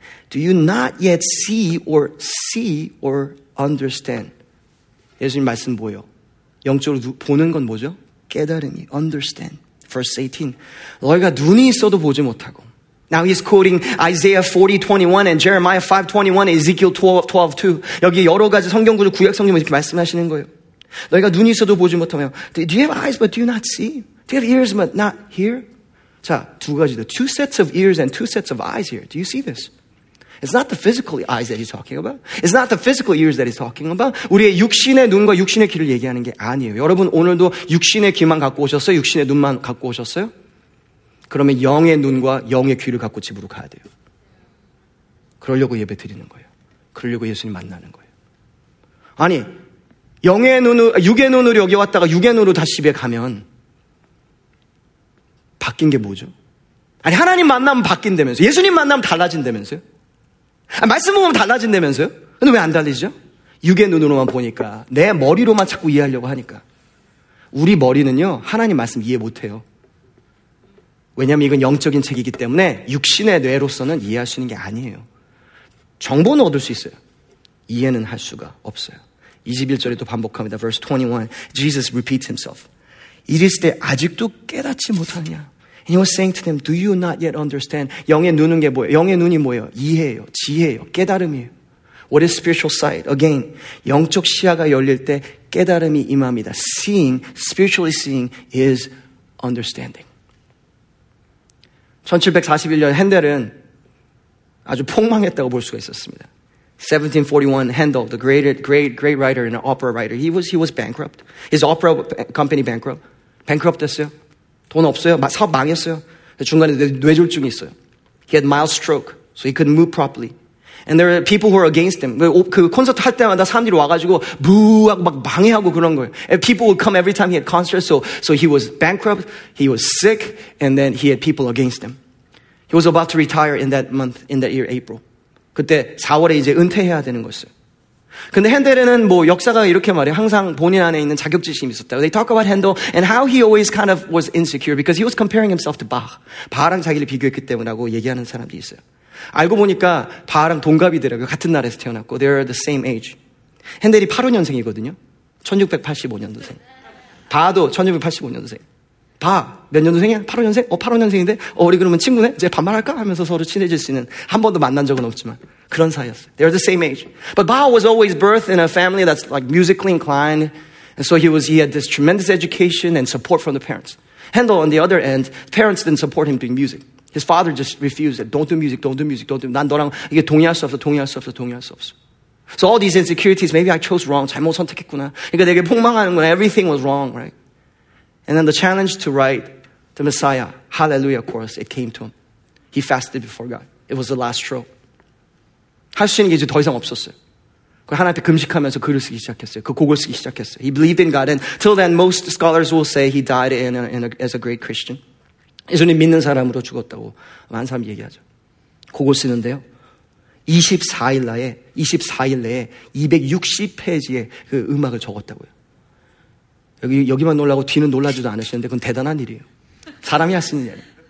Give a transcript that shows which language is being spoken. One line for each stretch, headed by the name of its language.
English: Do you not yet see or understand?
Korean: 예수님 말씀 보여. 영적으로 보는 건 뭐죠? 깨달음이.
English: Understand. Verse 18.
Korean: 너희가 눈이 있어도 보지 못하고.
English: Now he's quoting Isaiah 40:21 and Jeremiah 5:21 and Ezekiel 12:2.
Korean: 여기 여러 가지 성경구조 구약 성경을 이렇게 말씀하시는 거예요. 너희가 눈이 있어도 보지 못하며.
English: Do you have eyes but do you not see? Do you have ears but not hear?
Korean: 자, 두 가지다.
English: Two sets of ears and two sets of eyes here. Do you see this? It's not the physical eyes that he's talking about. It's not the physical ears that he's talking about.
Korean: 우리의 육신의 눈과 육신의 귀를 얘기하는 게 아니에요. 여러분 오늘도 육신의 귀만 갖고 오셨어요? 육신의 눈만 갖고 오셨어요? 그러면 영의 눈과 영의 귀를 갖고 집으로 가야 돼요. 그러려고 예배 드리는 거예요. 그러려고 예수님 만나는 거예요. 아니, 영의 눈으로, 육의 눈으로 여기 왔다가 육의 눈으로 다시 집에 가면 바뀐 게 뭐죠? 아니 하나님 만나면 바뀐다면서요? 예수님 만나면 달라진다면서요? 아니, 말씀 보면 달라진다면서요? 근데 왜 안 달라지죠? 육의 눈으로만 보니까 내 머리로만 자꾸 이해하려고 하니까. 우리 머리는요 하나님 말씀 이해 못해요. 왜냐하면 이건 영적인 책이기 때문에 육신의 뇌로서는 이해할 수 있는 게 아니에요. 정보는 얻을 수 있어요. 이해는 할 수가 없어요. 21절에도 반복합니다.
English: Verse 21, Jesus repeats himself.
Korean: 이르시되 아직도 깨닫지 못하느냐?
English: And he was saying to them, do you not yet understand?
Korean: 영의 눈은 게 뭐예요? 영의 눈이 뭐예요? 이해예요. 지혜예요. 깨달음이에요.
English: What is spiritual sight?
Korean: Again, 영적 시야가 열릴 때 깨달음이 임합니다.
English: Seeing, spiritually seeing is understanding.
Korean: 1741년 핸델은 아주 폭망했다고 볼 수가 있었습니다.
English: 1741, Handel, the great writer and opera writer. He was bankrupt. His opera company bankrupt. Bankrupt
Korean: 됐어요. 돈 없어요. 사업 망했어요. 중간에 뇌졸중이 있어요.
English: He had mild stroke, so he couldn't move properly. And there are people who are against him.
Korean: 그 콘서트 할 때마다 사람들이 와가지고 부악 막 방해하고 그런 거예요.
English: And people would come every time he had concerts. So he was bankrupt. He was sick, and then he had people against him. He was about to retire in that month, in that year, April.
Korean: 그때 4월에 이제 은퇴해야 되는 거였어요. 근데 핸델에는 뭐 역사가 이렇게 말해요. 항상 본인 안에 있는 자격지심이 있었다고.
English: They talk about Handel and how he always kind of was insecure because he was comparing himself to Bach.
Korean: 바하랑 자기를 비교했기 때문이라고 얘기하는 사람도 있어요. 알고 보니까 바하랑 동갑이더라고요. 같은 나라에서 태어났고.
English: They're the same age.
Korean: 핸델이 85년생이거든요. 1685년도생. 바도 1685년도생. 바, 몇 년도생이야? 85년생? 85년생인데? 우리 그러면 친구네? 이제 반말할까? 하면서 서로 친해질 수 있는. 한 번도 만난 적은 없지만. 그런 사이였어요.
English: They're the same age. But Bach was always birthed in a family that's like musically inclined. And so he had this tremendous education and support from the parents. Handel, on the other end, parents didn't support him doing music. His father just refused it. Don't do music, don't do music, don't do music.
Korean: 난 너랑 이게 동의할 수 없어, 동의할 수 없어, 동의할 수 없어.
English: So all these insecurities, maybe I chose wrong,
Korean: 잘못 선택했구나. 그러니까 내게 폭망하는구나.
English: Everything was wrong, right? And then the challenge to write the Messiah, Hallelujah chorus, it came to him. He fasted before God. It was the last stroke.
Korean: 할 수 있는 게 이제 더 이상 없었어요. 그 하나님께 금식하면서 글을 쓰기 시작했어요. 그 곡을 쓰기 시작했어요.
English: He believed in God. And till then, most scholars will say he died as a great Christian.
Korean: 예수님 믿는 사람으로 죽었다고 많은 사람이 얘기하죠. 곡을 쓰는데요. 24일 내에 260페이지의 그 음악을 적었다고요. 여기만 놀라고 뒤는 놀라지도 않으시는데 그건 대단한 일이에요. 사람이 할 수 있는 일이에요.